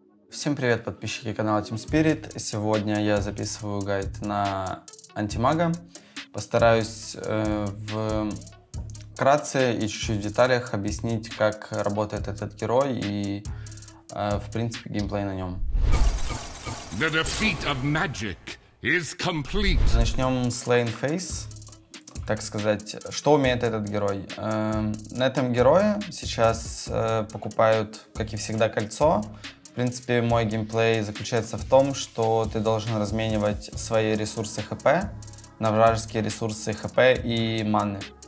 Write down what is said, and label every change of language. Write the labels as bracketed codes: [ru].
[ru] Всем привет, подписчики канала Team Spirit. Сегодня я записываю гайд на антимага. Постараюсь вкратце и чуть-чуть в деталях объяснить, как работает этот герой и, в принципе, геймплей на нем. [en] The defeat of magic is complete. [ru] Начнем с Lane Face, так сказать. Что умеет этот герой? На этом герое сейчас покупают, как и всегда, кольцо. В принципе, мой геймплей заключается в том, что ты должен разменивать свои ресурсы ХП на вражеские ресурсы ХП и маны.